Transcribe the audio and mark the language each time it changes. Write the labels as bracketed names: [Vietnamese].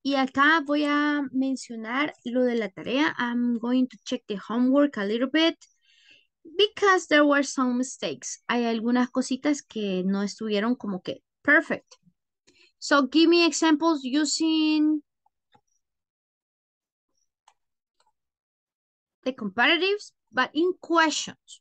[Spanish] Y acá voy a mencionar lo de la tarea. [English] I'm going to check the homework a little bit. Because there were some mistakes. [Spanish] Hay algunas cositas que no estuvieron como que perfect. [English] So give me examples using the comparatives, but in questions.